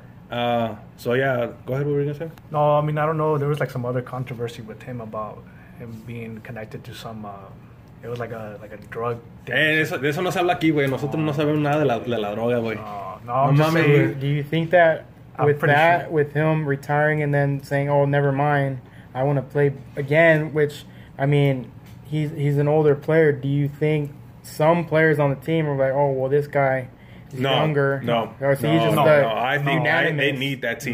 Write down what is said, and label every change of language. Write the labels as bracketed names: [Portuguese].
[English] Go ahead, what were you going to say? No, I mean, I don't know. There was like some other controversy with him about him being connected to some, it was like a drug [Spanish] thing. De eso no se habla aquí, güey. Nosotros no sabemos nada de la droga, güey. [English] Do you think that with him retiring and then saying, oh, never mind, I want to play again, which, I mean, he's an older player. Do you think some players on the team are like, oh, well, this guy younger. I think they need that team.